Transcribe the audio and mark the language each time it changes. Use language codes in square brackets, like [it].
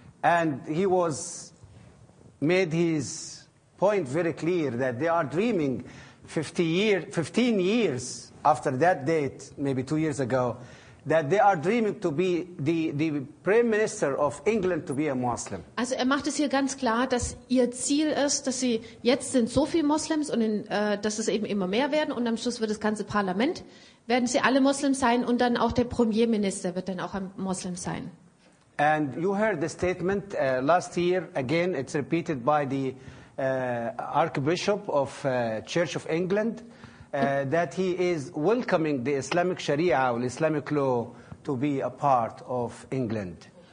[en] And he was made his point very clear that they are dreaming 15 years after that date, maybe 2 years ago, that they are dreaming to be the prime minister of England to be a Muslim. [de] Also er macht es hier ganz klar, dass ihr Ziel ist, dass sie jetzt sind so viele Muslims und dass es eben immer mehr werden und am Schluss wird das ganze Parlament, werden sie alle Muslims sein und dann auch der Premierminister wird dann auch ein Muslim sein. [en] And you heard the statement last year, again, it's repeated by the Archbishop of Church of England, that he is welcoming the Islamic Sharia, or Islamic law, to be a part of England.